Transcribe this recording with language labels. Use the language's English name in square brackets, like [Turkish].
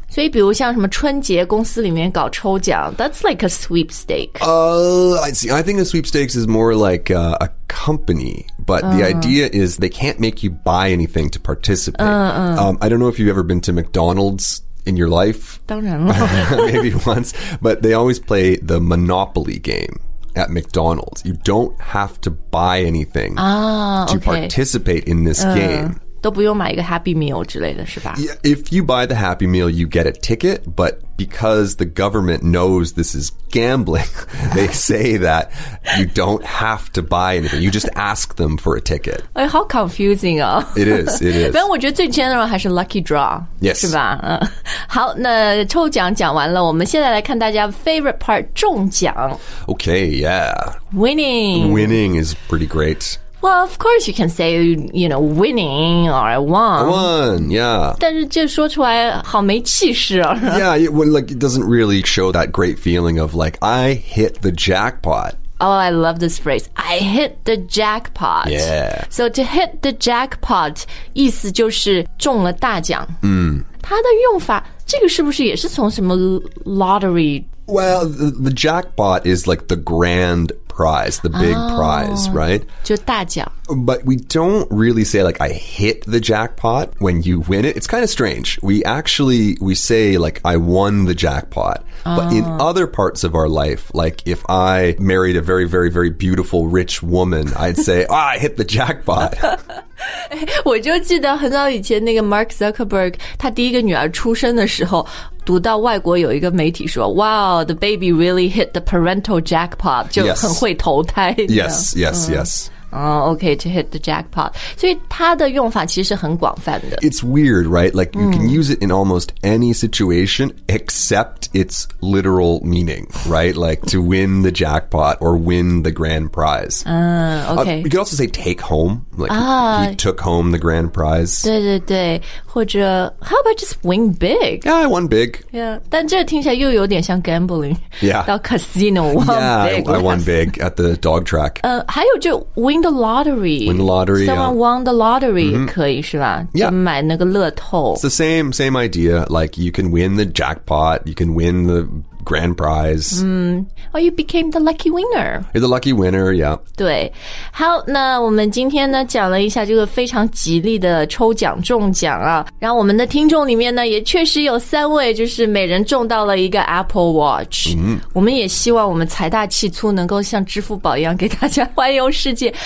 [Chinese] 所以比如像什么春节公司里面搞抽奖 [English] That's like a sweepstake. I think a sweepstakes is more like a company. But the idea is they can't make you buy anything to participate. I don't know if you've ever been to McDonald's. In your life? [Chinese] 当然了 [English] Maybe once. But they always play the Monopoly game at McDonald's. You don't have to buy anything to participate in this game. [Chinese] 都不用买一个 Happy Meal 之类的是吧 [English] yeah, If you buy the Happy Meal, you get a ticket. But because the government knows this is gambling, they say that you don't have to buy anything. You just ask them for a ticket. [Chinese] 哎，好 confusing 哦。 [English] It is, it is. [Chinese] 反正我觉得最 general 还是 lucky draw. [English] Yes. [Chinese] 是吧？好，那抽奖讲完了，我们现在来看大家 [English] favorite part, [Chinese] 中奖。 [English] Okay, yeah. Winning. Winning is pretty great. Well, of course you can say, you know, winning or I won. I won, yeah. [Chinese] 但是这说出来好没气势啊。 [English] Yeah, it, when, like, it doesn't really show that great feeling of like, I hit the jackpot. Oh, I love this phrase. I hit the jackpot. Yeah. So to hit the jackpot, [Chinese] 意思就是中了大奖。它的用法，这个是不是也是从什么 lottery? [English] Well, the jackpot is like the grand... prize, the big prize, right? [Chinese] 就大奖。 [English] But we don't really say like, I hit the jackpot when you win it. It's kind of strange. We say like, I won the jackpot. But in other parts of our life, like if I married a very, very, very beautiful rich woman, I'd say, I hit the jackpot. [Chinese] 我就记得很早以前那个 Mark Zuckerberg, 他第一个女儿出生的时候读到外国有一个媒体说 [English] Wow, the baby really hit the parental jackpot [Chinese] 就很会投胎 [English] Yes, yes, yes, yes. Okay, to hit the jackpot [Chinese] 所以它的用法其实是很广泛的 [English] It's weird, right? Like you can use it in almost any situation Except its literal meaning, right? Like to win the jackpot or win the grand prize Okay. You can also say take home Like he took home the grand prize [Chinese] 对对对或者 [English] how about just win big? Yeah, I won big. [Chinese] Yeah, 但这听起来又有点像 gambling. [English] Yeah. [Chinese] 到 casino, won [English] big. Yeah, I won big at the dog track. [Chinese] 还有就 [English] win the lottery. Win the lottery, Someone won the lottery, [Chinese] 可以是吧? [English] Yeah. [Chinese] 就买那个乐透。 [English] It's the same idea, like you can win the jackpot, you can win the... grand prize. Oh, you became the lucky winner. You're the lucky winner, yeah. [Chinese] 对。好，那我们今天呢讲了一下这个非常吉利的抽奖中奖啊。然后我们的听众里面呢也确实有三位就是每人中到了一个 Apple Watch。我们也希望我们财大气粗能够像支付宝一样给大家环游世界。